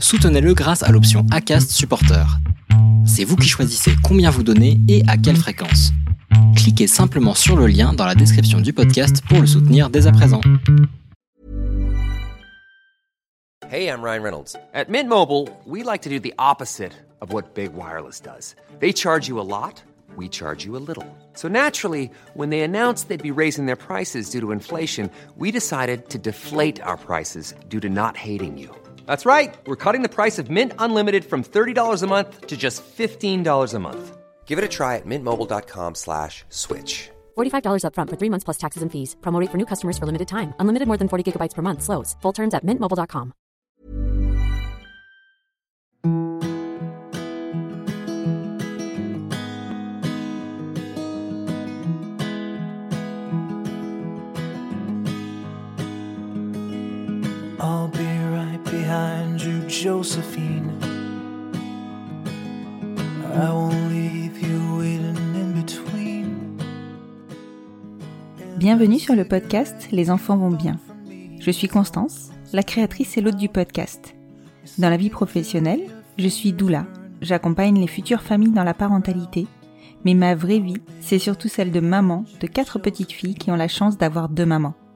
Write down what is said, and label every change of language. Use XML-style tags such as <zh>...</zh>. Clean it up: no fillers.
<fr>Soutenez-le grâce à l'option Acast Supporter. C'est vous qui choisissez combien vous donnez et à quelle fréquence. Cliquez simplement sur le lien dans la description du podcast pour le soutenir dès à présent.</fr> <en>Hey, I'm Ryan Reynolds. At Mint Mobile, we like to do the opposite of what Big Wireless does. They charge you a lot, we charge you a little. So naturally, when they announced they'd be raising their prices due to inflation, we decided to deflate our prices due to not hating you. That's right. We're cutting the price of Mint Unlimited from $30 a month to just $15 a month. Give it a try at mintmobile.com/switch. $45 up front for 3 months plus taxes and fees. Promo rate for new customers for limited time. Unlimited more than 40 gigabytes per month slows. Full terms at mintmobile.com. I'll be right behind you, Josephine. I won't leave you waiting in between.</en> <fr>Bienvenue sur le podcast Les enfants vont bien. Je suis Constance, la créatrice et l'hôte du podcast. Dans la vie professionnelle, je suis doula. J'accompagne les futures familles dans la parentalité. Mais ma vraie vie, c'est surtout celle de maman, de 4 petites filles qui ont la chance d'avoir 2 mamans.</fr>